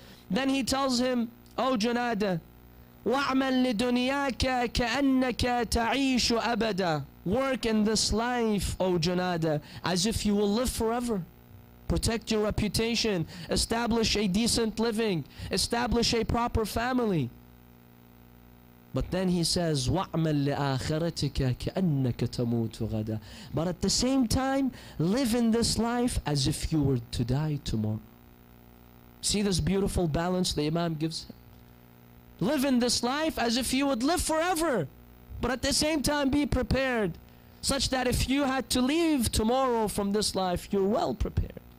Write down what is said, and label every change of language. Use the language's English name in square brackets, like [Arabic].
[English] Then he tells him, oh Junaida, [Arabic] وَعْمَلْ لِدُنْيَاكَ كَأَنَّكَ تَعِيشُ أَبَدًا. [English] Work in this life, oh Junaida, as if you will live forever. Protect your reputation. Establish a decent living. Establish a proper family. But then he says, [Arabic] وَعْمَلْ لِآخِرَتِكَ كَأَنَّكَ تَمُوتُ غَدًا. [English] But at the same time, live in this life as if you were to die tomorrow. See this beautiful balance the Imam gives him? Live in this life as if you would live forever. But at the same time, be prepared such that if you had to leave tomorrow from this life, you're well prepared.